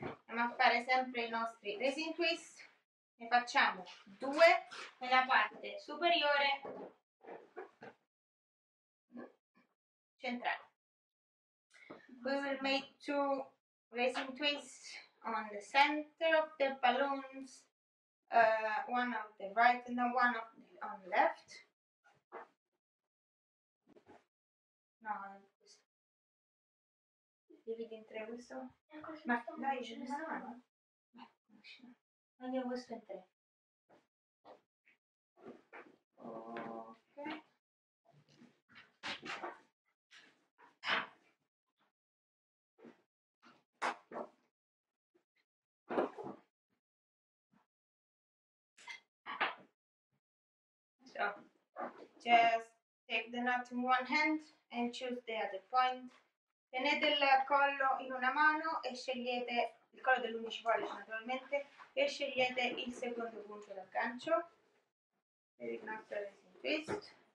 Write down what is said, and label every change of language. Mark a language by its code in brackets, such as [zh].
[it] A fare sempre i nostri resin twist, ne facciamo due nella parte superiore centrale. [en] We will make two resin twists on the center of the balloons, one on the right and one on the left. [it] No, dividi in tre questo. Ma dai, ce ne sono. Andiamo questo in tre. Ok. [en] So, just take the knot in one hand and choose the other point. [it] Tenete il collo in una mano e scegliete il collo dell'11 pollice naturalmente e scegliete il secondo punto d'aggancio per il nostro resin twist.